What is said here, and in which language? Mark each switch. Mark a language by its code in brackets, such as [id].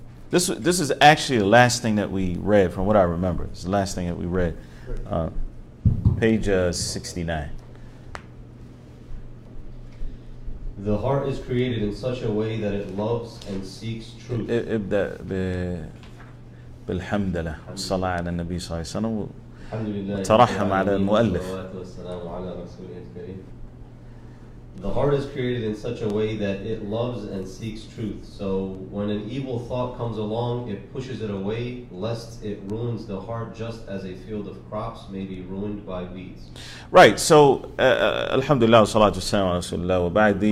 [en] This is actually the last thing that we read, from what I remember. It's the last thing that we read. Page 69. The heart is created in such a way that it loves and seeks truth. [ar] ابدأ بالحمد لله والصلاة على النبي صلى الله عليه وسلم. الحمد لله. وترحم على المؤلف. والسلام على رسوله الكريم. [en] The heart is created in such a way that it loves and seeks truth. So when an evil thought comes along, it pushes it away, lest it ruins the heart just as a field of crops may be ruined by weeds. Right, so [ar] alhamdulillah, salatu wassalamu ala rasulullah wa ba'd.